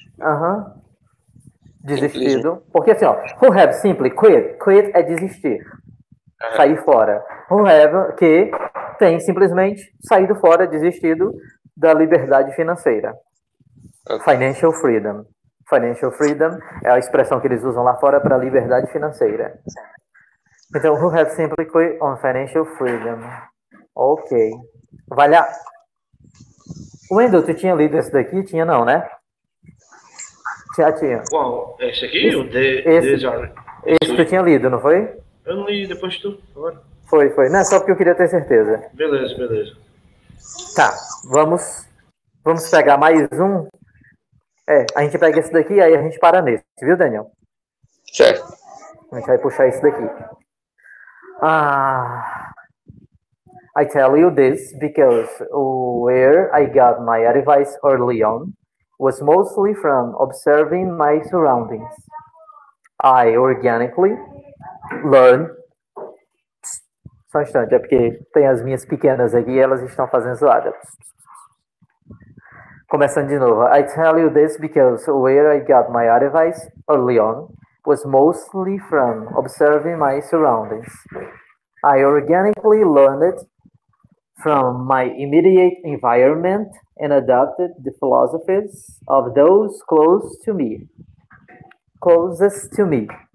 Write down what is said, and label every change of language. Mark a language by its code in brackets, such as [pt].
[pt] Uhum. Desistido. Simplesmente. Porque assim, ó, [en] who have simply quit? [pt] Quit é desistir. Uhum. Sair fora. [en] Who have [pt] que tem simplesmente saído fora, desistido da liberdade financeira. Okay. [en] Financial freedom. Financial freedom [pt] é a expressão que eles usam lá fora para liberdade financeira. [en] Então, who has simply quit on financial freedom? [pt] Ok. Valha. Wendell, tu tinha lido esse daqui? Tinha não, né? Tinha. Qual? Esse aqui? Esse tu tinha lido, não foi? Eu não li, depois tu, agora. Foi. Não, é só porque eu queria ter certeza. Beleza. Tá, vamos pegar mais um. A gente pega esse daqui e aí a gente para nesse, viu, Daniel? Certo. A gente vai puxar esse daqui. [en] I tell you this because where I got my advice early on was mostly from observing my surroundings. I organically learned. [pt] Só um instante, é porque tem as minhas pequenas aqui e elas estão fazendo zoada. Começando de novo. [en] I tell you this because where I got my advice early on was mostly from observing my surroundings. I organically learned it from my immediate environment and adopted the philosophies of those closest to me.